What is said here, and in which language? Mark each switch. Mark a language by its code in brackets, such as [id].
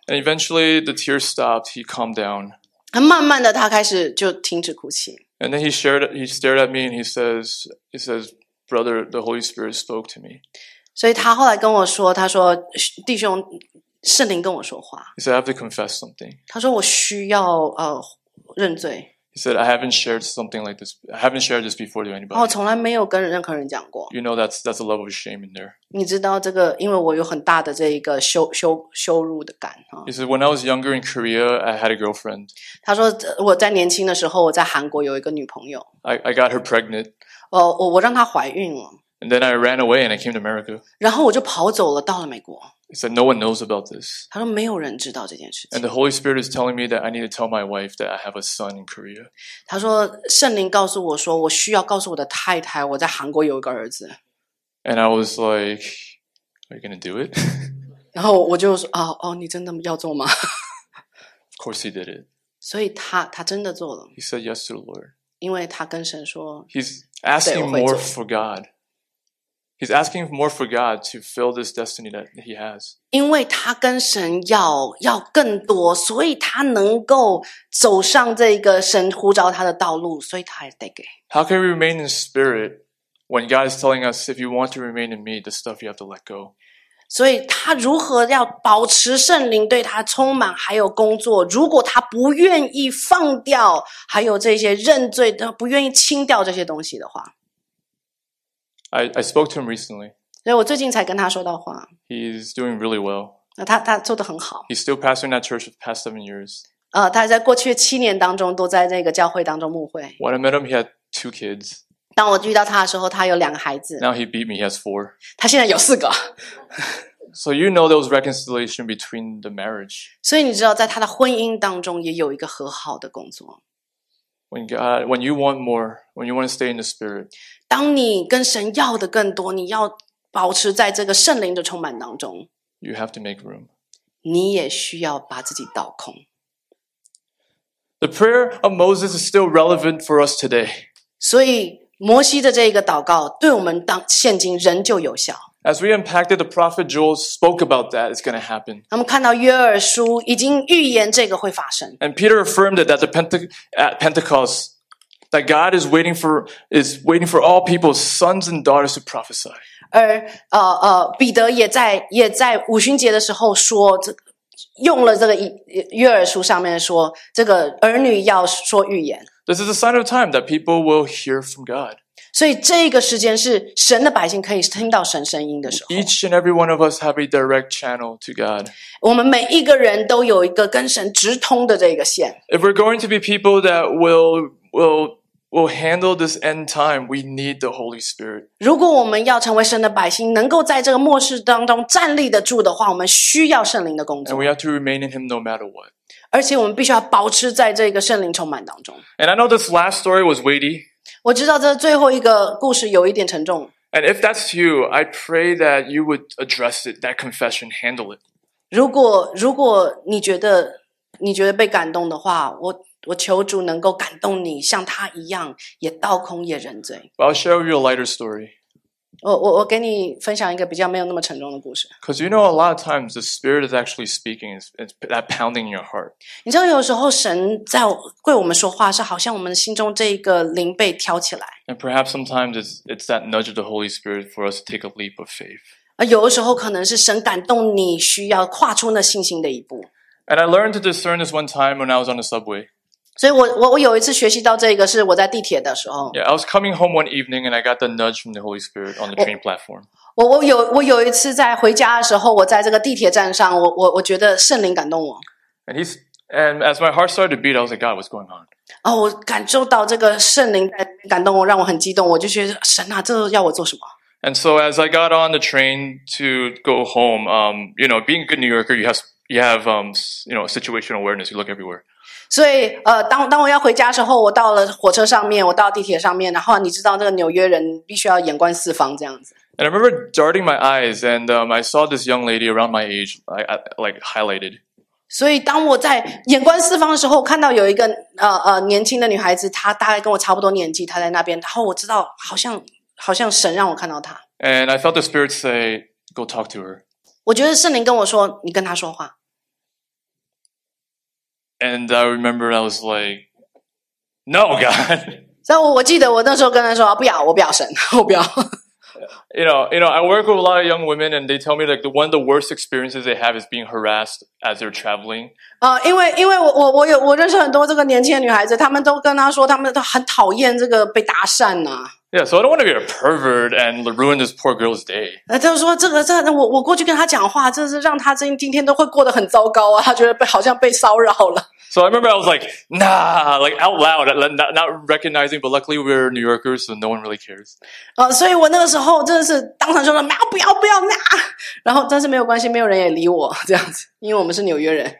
[en] And eventually the tears stopped, he calmed down. [zh] 慢慢的他开始就停止哭泣。 [en] And then he stared at me and he says, Brother, the Holy Spirit spoke to me. [zh] 所以他后来跟我说，他说，弟兄，圣灵跟我说话。 [en] He said, I have to confess something. [zh] 他说我需要认罪。 [en] He said, I haven't shared something like this. I haven't shared this before to anybody. [zh] 从来没有跟任何人讲过。 [en] You know, that's a level of shame in there. [zh] 你知道这个，因为我有很大的这一个羞辱的感。 [en] He said, when I was younger in Korea, I had a girlfriend. [zh] 他说，我在年轻的时候，我在韩国有一个女朋友。 [en] I got her pregnant. [zh] 我让她怀孕了。 [en] And then I ran away and I came to America. [zh] 然后我就跑走了，到了美国。 [en] He said, no one knows about this. [zh] 他说没有人知道这件事情。 [en] And the Holy Spirit is telling me that I need to tell my wife that I have a son in Korea. [zh] 他说圣灵告诉我说我需要告诉我的太太我在韩国有一个儿子。 [en] And I was like, are you going to do it? [zh] 然后我就说你真的要做吗？ [en] Of course he did it. [zh] 所以他真的做了。 [en] He said yes to the Lord. [zh] 因为他跟神说 [en] He's asking more for God. He's asking more for God to fill this destiny that he has. [zh] 因为他跟神要更多，所以他能够走上这个神呼召他的道路，所以他也得给。 [en] How can we remain in spirit when God is telling us, if you want to remain in me, the stuff you have to let go? [zh] 所以他如何要保持圣灵对他充满，还有工作？如果他不愿意放掉，还有这些认罪，他不愿意清掉这些东西的话。 [en] I spoke to him recently. [zh] 所以我最近才跟他说到话。 [en] He's doing really well. [zh] 他做得很好。 [en] He's still pastoring that church for the past 7 years. [zh] 他在过去七年当中都在那个教会当中牧会。 [en] When I met him, he had two kids. [zh] 当我遇到他的时候，他有两个孩子。 [en] Now he beat me, he has four. [zh] 他现在有四个。 [en] So you know there was reconciliation between the marriage. [zh] 所以你知道在他的婚姻当中也有一个和好的工作。 [en] When God, when you want more, when you want to stay in the Spirit. [zh] 当你跟神要的更多，你要保持在这个圣灵的充满当中。 [en] You have to make room. [zh] 你也需要把自己倒空。 [en] The prayer of Moses is still relevant for us today. [zh] 所以摩西的这个祷告对我们当现今仍旧有效。 [en] As we impacted the prophet Joel spoke about that, it's going to happen. [zh] 我们看到约珥书已经预言这个会发生。 [en] And Peter affirmed it, that the at Pentecost, that God is waiting for all people's sons and daughters to prophesy. [zh] 而彼得也在五旬节的时候说用了这个约珥书上面说这个儿女要说预言。 [en] This is a sign of time that people will hear from God. [zh] 所以这个时间是神的百姓可以听到神声音的时候。 [en] Each and every one of us have a direct channel to God. [zh] 我们每一个人都有一个跟神直通的这个线。 [en] If we're going to be people that will handle this end time, we need the Holy Spirit. [zh] 如果我们要成为神的百姓，能够在这个末世当中站立得住的话，我们需要圣灵的工作。 [en] And we have to remain in Him no matter what. [zh] 而且我们必须要保持在这个圣灵充满当中。 [en] And I know this last story was weighty. [zh] 我知道这最后一个故事有一点沉重。 [en] And if that's you, I pray that you would address it, that confession, handle it. [zh] 如果你觉得被感动的话，我求主能够感动你，像他一样，也倒空，也认罪。 [en] I'll share you a lighter story. [zh] 我给你分享一个比较没有那么沉重的故事。 [en] Because you know, a lot of times the Spirit is actually speaking, it's that pounding in your heart. [zh] 你知道，有时候神在对我们说话，是好像我们心中这个灵被挑起来。 [en] And perhaps sometimes it's that nudge of the Holy Spirit for us to take a leap of faith. [zh] 有的时候可能是神感动你，需要跨出那信心的一步。 [en] And I learned to discern this one time when I was on the subway. [zh] 所以我有一次学习到这个是我在地铁的时候。 [en] Yeah, I was coming home one evening and I got the nudge from the Holy Spirit on the train platform. [zh] 我有一次在回家的时候，我在这个地铁站上，我觉得圣灵感动我。 [en] And as my heart started to beat, I was like, God, what's going on? [zh] 我感受到这个圣灵感动我，让我很激动，我就觉得神啊，这要我做什么？ [en] And so as I got on the train to go home, you know, being a good New Yorker, you have situational awareness. You look everywhere. [zh] 所以当我要回家的时候，我到了火车上面，我到地铁上面，然后你知道这个纽约人必须要眼观四方这样子。 [en] And I remember darting my eyes, and I saw this young lady around my age, like highlighted. [zh] 所以当我在眼观四方的时候，看到有一个年轻的女孩子，她大概跟我差不多年纪，她在那边，然后我知道好像神让我看到她。 [en] And I felt the Spirit say, go talk to her. [zh] 我觉得圣灵跟我说，你跟她说话。 [en] And I remember I was like, no, God. [zh] So, 我记得我那时候跟他说，不要，我不要神，我不要。 [en] You know, I work with a lot of young women, and they tell me like one of the worst experiences they have is being harassed as they're traveling. [zh] 因为我认识很多这个年轻的女孩子，她们都跟她说，她们都很讨厌这个被搭讪呐。 [en] Yeah, so I don't want to be a pervert and ruin this poor girl's day. [zh] 他说这个我过去跟他讲话，这是让他今天都会过得很糟糕啊，他觉得好像被骚扰了。 [en] So I remember I was like, nah, like out loud, not recognizing, but luckily we're New Yorkers, so no one really cares. [zh] 所以我那个时候真的是当场就说，妈，不要不要那，然后但是没有关系，没有人也理我这样子，因为我们是纽约人。